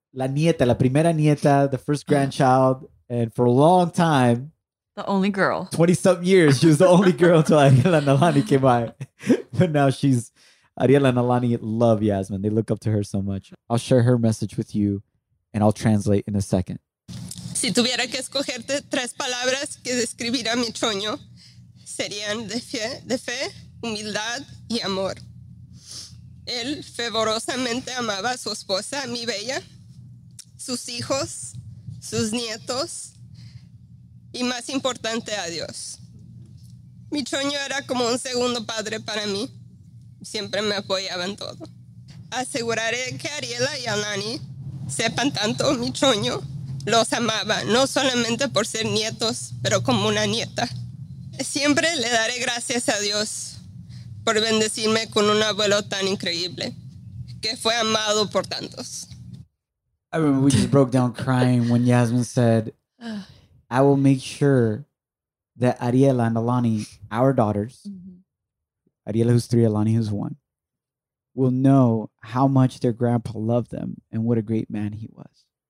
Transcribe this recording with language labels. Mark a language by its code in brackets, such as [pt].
[en] La nieta, la primera nieta, the first grandchild. And for a long time. The only girl. 20-something years, she was the only girl until Ariela Nalani came by. But now she's, Ariela Nalani love Yasmin. They look up to her so much. I'll share her message with you and I'll translate in a second. [es] Si tuviera que escogerte tres palabras que describiera mi choño, serían de fe, humildad y amor. Él fervorosamente amaba a su esposa, mi bella, sus hijos, sus nietos y, más importante, a Dios. Mi choño era como un segundo padre para mí. Siempre me apoyaba en todo. Aseguraré que Ariela y Alani sepan tanto mi choño. Los amaba, no solamente por ser nietos, pero como una nieta. Siempre le daré gracias a Dios por bendecirme con un abuelo tan increíble que fue amado por tantos. [en] I remember we just broke down crying when Yasmin said, I will make sure that Ariela and Alani, our daughters, mm-hmm. Ariela who's three, Alani who's one, will know how much their grandpa loved them and what a great man he was.